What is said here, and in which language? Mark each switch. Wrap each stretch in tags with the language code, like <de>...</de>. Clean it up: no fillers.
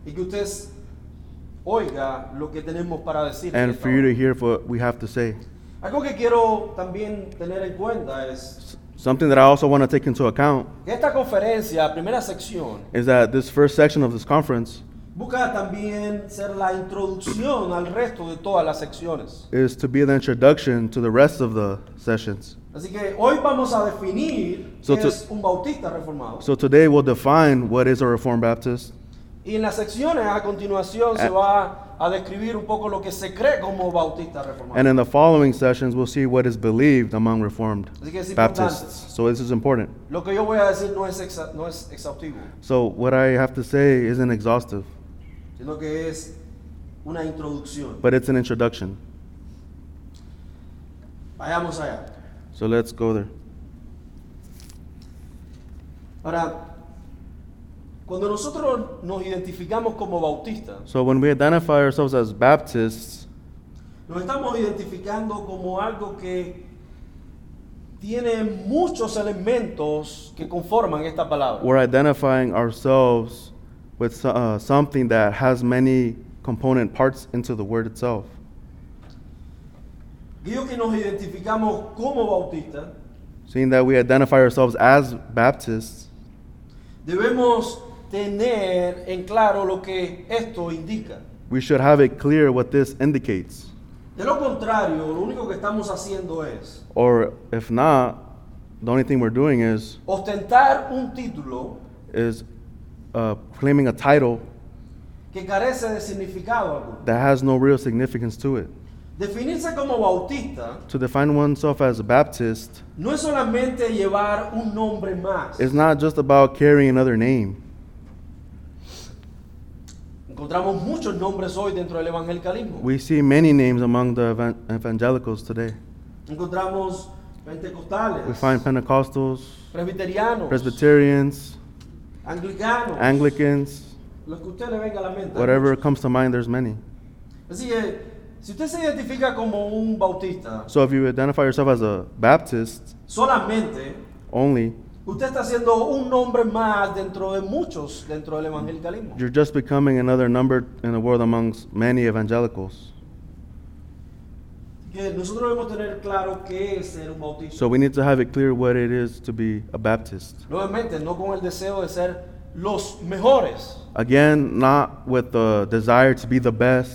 <es>Y que usted oiga lo que tenemos para decir.</es> <en>And for you to hear what we have to say.</en> <es>Algo que quiero también tener en cuenta es...</es> <en>Something that I also want to take into account</en> <es>esta conferencia, primera sección,</es> <en>is that this first section of this conference</en> <es>busca también ser la introducción al resto de todas las secciones.</es> <en>Is to be the introduction to the rest of the sessions.</en> <es>Así que hoy vamos a definir qué es un bautista reformado.</es> <en>So today we'll define what is a Reformed Baptist.</en> <es>Y en las secciones a continuación se va a describir un poco lo que se cree como bautista reformado.</es> <en>And in the following sessions, we'll see what is believed among Reformed Baptists. So this is important.</en> <es>Lo que yo voy a decir no es exhaustivo.</es> <en>So what I have to say isn't exhaustive.</en> <es>Sino que es una introducción.</es> <en>But it's an introduction.</en> <es>Vayamos allá.</es> <en>So let's go there.</en> <es>Ahora... Cuando nosotros nos identificamos como bautistas,</es> <en>so when we identify ourselves as Baptists,</en> <es>nos estamos identificando como algo que tiene muchos elementos que conforman esta palabra.</es> <en>We're identifying ourselves with something that has many component parts into the word itself.</en> <es>Digo que nos identificamos como bautistas,</es> <en>seeing that we identify ourselves as Baptists,</en> <es>debemos tener en claro lo que esto indica.</es> <en>We should have it clear what this indicates.</en> <es>De lo contrario, lo único que estamos haciendo es</es> <en>or if not, the only thing we're doing is</en> <es>ostentar un título</es> <en>is claiming a title</en> <es>que carece de significado alguno.</es> <en>That has no real significance to it.</en> <es>Definirse como bautista</es> <en>to define oneself as a Baptist</en> <es>no es solamente llevar un nombre más.</es> <en>It's not just about carrying another name.</en> <es>Encontramos muchos nombres hoy dentro del evangelicalismo.</es> <en>We see many names among the evangelicals today.</en> <es>Encontramos pentecostales.</es> <en>We find Pentecostals.</en> <es>Presbiterianos.</es> <en>Presbyterians.</en> <es>Anglicanos.</es> <en>Anglicans.</en> <es>Lo que usted le venga a la mente.</es> <en>Whatever comes to mind, there's many.</en> <es>Así que, si usted se identifica como un bautista.</es> <en>So if you identify yourself as a Baptist.</en> <es>Solamente.</es> <en>Only.</en> <es>Usted está siendo un nombre más dentro de muchos dentro del evangelicalismo.</es> <en>You're just becoming another number in the world amongst many evangelicals.</en> <es>Que nosotros debemos tener claro qué es ser un bautista.</es> <en>So we need to have it clear what it is to be a Baptist.</en> <es>Nuevamente, no con el deseo de ser los mejores.</es> <en>Again, not with the desire to be the best.</en>